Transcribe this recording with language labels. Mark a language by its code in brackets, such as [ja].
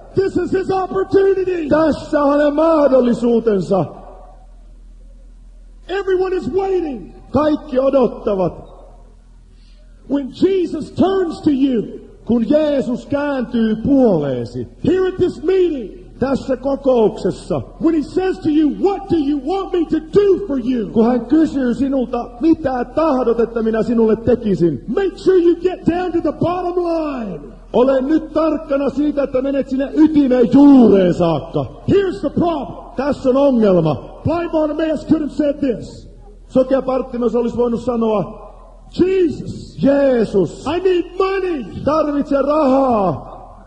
[en] This is his opportunity. [fi] Tässä on hänen mahdollisuutensa. [en] Everyone is waiting. [fi] Kaikki odottavat. [en] When Jesus turns to you. [fi] Kun Jeesus kääntyy puoleesi. [en] Here at this meeting. [fi] Tässä kokouksessa. [en] When he says to you, what do you want me to do for you? [fi] Kun hän kysyy sinulta, mitä tahdot, että minä sinulle tekisin? [en] Make sure you get down to the bottom line. [fi] Ole nyt tarkkana siitä, että menet sinne ytimeen juureen saakka. [en] Here's the problem. [fi] Tässä on ongelma. [en] Blind Bartimaeus could have said this. [fi] Sokea Bartimaeus olisi voinut sanoa, [en] Jesus. [fi] Jeesus. [en] I need money. [fi] Tarvitsen rahaa.